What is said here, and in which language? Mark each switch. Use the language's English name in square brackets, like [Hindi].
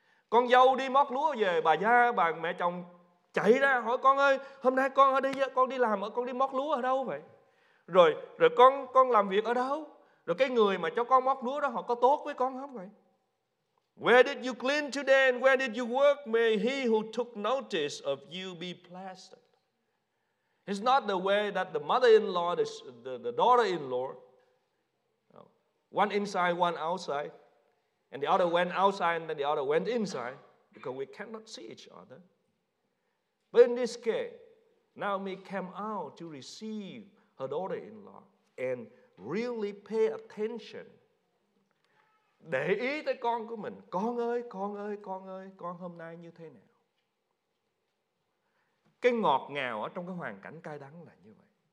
[Vietnamese] Con dâu đi mót lúa về, bà gia, bà mẹ chồng chạy ra hỏi: con ơi, hôm nay con ở đây, con đi làm, con đi mót lúa ở đâu vậy? Rồi con làm việc ở đâu? Rồi cái người mà cho con mót lúa đó họ có tốt với con không vậy? [English] Where did you clean today and where did you work? May he who took notice of you be blessed. It's not the way that the mother-in-law, the daughter-in-law, one inside, one outside, and the other went outside and then the other went inside because we cannot see each other. But in this case, Naomi came out to receive her daughter-in-law and really pay attention. [Vietnamese] Để ý tới con của mình. Con ơi, con ơi, con ơi, con hôm nay như thế nào? Cái ngọt ngào ở trong cái hoàn cảnh cay đắng là như vậy.